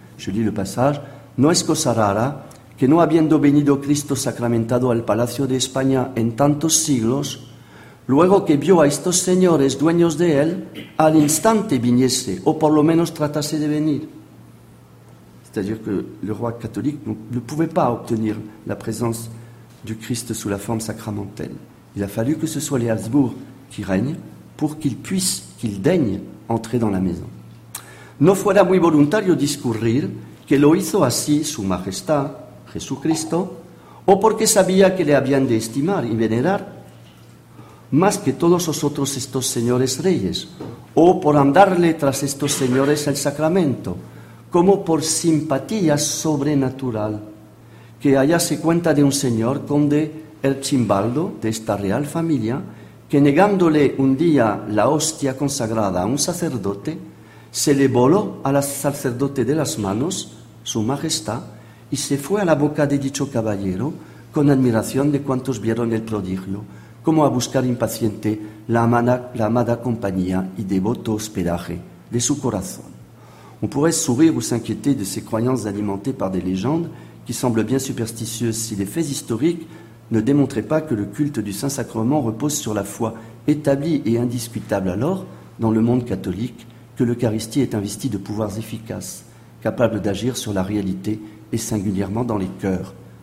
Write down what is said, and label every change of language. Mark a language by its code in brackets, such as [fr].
[fr] Je lis le passage. [es] « No es cosa rara que no habiendo venido Cristo sacramentado al Palacio de España en tantos siglos, luego que vio a estos señores dueños de él, al instante viniese, o por lo menos tratase de venir. » [fr] C'est-à-dire que le roi catholique ne pouvait pas obtenir la présence du Christ sous la forme sacramentelle. Il a fallu que ce soit les Habsbourg qui règnent pour qu'ils puissent, qu'ils daignent entrer dans la maison. [es] No fuera muy voluntario discurrir que lo hizo así su majestad, Jesucristo, o porque sabía que le habían de estimar y venerar más que todos los otros estos señores reyes, o por andarle tras estos señores el sacramento, como por simpatía sobrenatural, que hallase cuenta de un señor conde Erchimbaldo de esta real familia, que negándole un día la hostia consagrada a un sacerdote, se le voló a la sacerdote de las manos, su majestad, y se fue a la boca de dicho caballero, con admiración de cuantos vieron el prodigio, como a buscar impaciente la amada compañía y devoto hospedaje de su corazón. [fr] On pourrait sourire ou s'inquiéter de ces croyances alimentées par des légendes qui semblent bien superstitieuses si les faits historiques ne démontraient pas que le culte du Saint-Sacrement repose sur la foi établie et indiscutable alors dans le monde catholique, que l'Eucharistie est investie de pouvoirs efficaces, capables d'agir sur la réalité et singulièrement dans les cœurs.